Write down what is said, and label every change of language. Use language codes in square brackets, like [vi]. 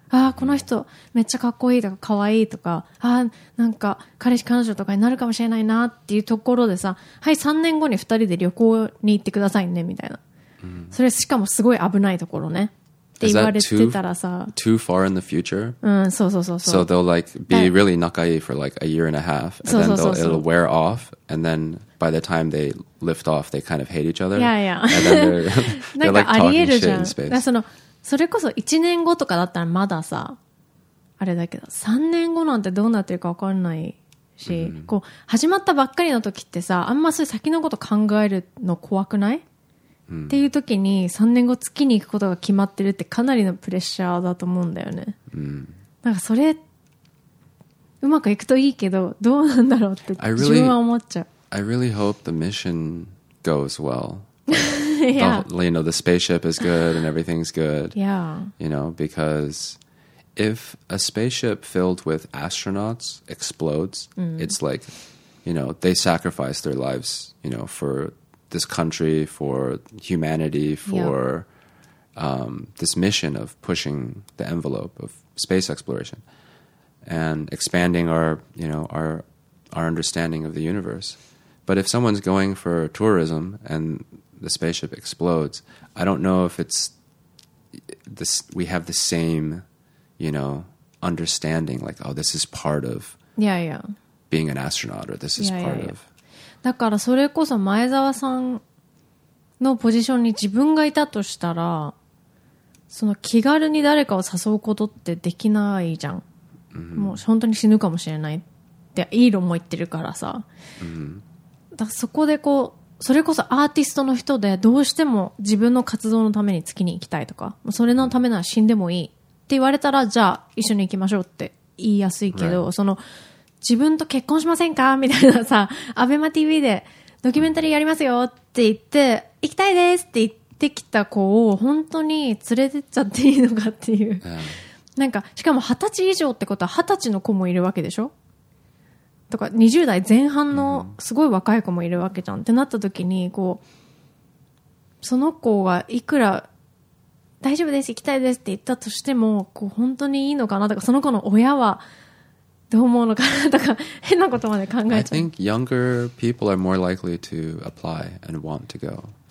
[ja] あ、この人めっちゃかっこいいとかかわいいとか、あ、なんか彼氏彼女とかになるかもしれないなっていうところでさ、はい、3年後に2人で旅行に行ってくださいねみたいな、それしかもすごい危ないところねって言われてたらさ、 [en] too far in the future? [ja] うん、そうそうそうそう。 [en] So they'll like be really nakai for like a year and a half, and then they'll, it'll wear off, and then by the time they lift off, they kind of hate each other. Yeah, yeah. [ja] なんかありえるじゃん。だそのそれこそ1年後とかだったらまださあれだけど、3年後なんてどうなってるか分かんないし、こう始まったばっかりの時ってさ、あんまそういう先のこと考えるの怖くない？っていう時に3年後月に行くことが決まってるってかなりのプレッシャーだと思うんだよね。なんかそれうまくいくといいけど、どうなんだろうって自分は思っちゃう。 [en] I really hope the mission goes well. The, you know, the spaceship is good and everything's good. Yeah. You know, because if a spaceship filled with astronauts explodes, it's like, you know, they sacrifice their lives, you know, for this country, for humanity, for this mission of pushing the envelope of space exploration and expanding our, you know, our understanding of the universe. But if someone's going for tourism and the spaceship explodes, I don't know if it's this, we have the same, you know, understanding, like, oh, this is part of being an astronaut, or this is part of. [ja] だからそれこそ前澤さんのポジションに自分がいたとしたら、その気軽に誰かを誘うことってできないじゃん。もう本当に死ぬかもしれないってイーロンも言ってるからさ。だからそこでこう、それこそアーティストの人でどうしても自分の活動のために月に行きたいとか、それのためなら死んでもいいって言われたら、じゃあ一緒に行きましょうって言いやすいけど、その自分と結婚しませんかみたいなさ、アベマ TV でドキュメンタリーやりますよって言って、行きたいですって言ってきた子を本当に連れてっちゃっていいのかっていう。なんか、しかも二十歳以上ってことは二十歳の子もいるわけでしょ？とか、20代前半のすごい若い子もいるわけじゃんってなった時に、こう、その子がいくら、大丈夫です、行きたいですって言ったとしても、こう本当にいいのかなとか、その子の親は、 [en] I think younger people are more likely to apply and want to go.